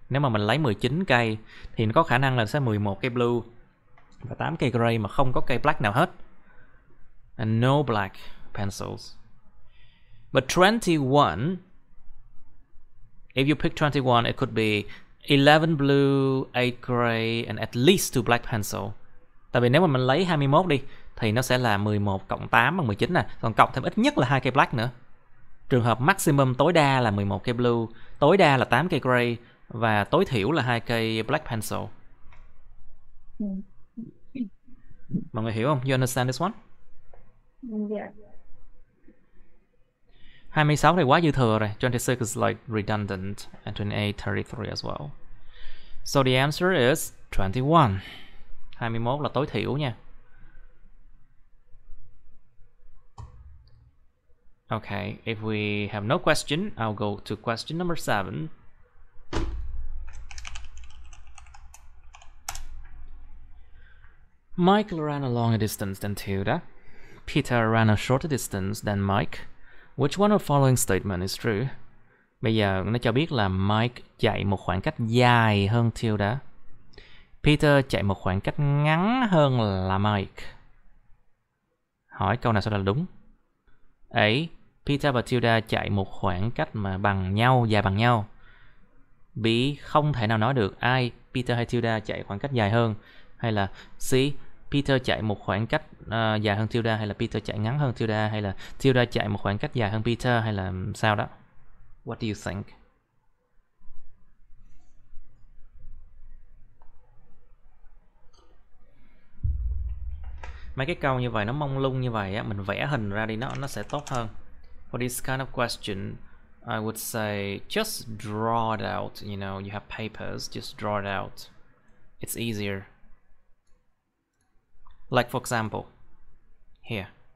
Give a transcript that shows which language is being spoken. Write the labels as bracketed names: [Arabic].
[Vietnamese] Nếu mà mình lấy 19 cây, thì nó có khả năng là sẽ 11 cây blue và 8 cây gray mà không có cây black nào hết. [English] And no black pencils. But 21, if you pick 21, it could be 11 blue, 8 gray, and at least 2 black pencil. [Vietnamese] Tại vì nếu mà mình lấy 21 đi, thì nó sẽ là 11 cộng 8 bằng 19 nè. Còn cộng thêm ít nhất là 2 cây black nữa. Trường hợp maximum tối đa là 11 cây blue, tối đa là 8 cây gray, và tối thiểu là 2 cây black pencil. Mọi người hiểu không? [English] You understand this one? Yeah. 26 [Vietnamese] thì quá dư thừa rồi, [English] 26 is like redundant, and 28, 33 as well. So the answer is 21. 21 [Vietnamese] là tối thiểu nha. [English] Okay, if we have no question, I'll go to question number 7. Mike ran a longer distance than Tilda. Peter ran a shorter distance than Mike. Which one of the following statement is true? [Vietnamese] Bây giờ nó cho biết là Mike chạy một khoảng cách dài hơn Tilda. Peter chạy một khoảng cách ngắn hơn là Mike. Hỏi câu nào sau đây là đúng? A. Peter và Tilda chạy một khoảng cách mà bằng nhau, dài bằng nhau. B. Không thể nào nói được ai Peter hay Tilda chạy khoảng cách dài hơn. Hay là C. Peter chạy một khoảng cách dài hơn Tilda, hay là Peter chạy ngắn hơn Tilda, hay là Tilda chạy một khoảng cách dài hơn Peter, hay là sao đó. [English] What do you think? [Vietnamese] Mm. Mấy cái câu như vậy nó mông lung như vậy á, mình vẽ hình ra đi nó sẽ tốt hơn. [English] For this kind of question, I would say just draw it out. You know, you have papers, just draw it out. It's easier. Like for example, here.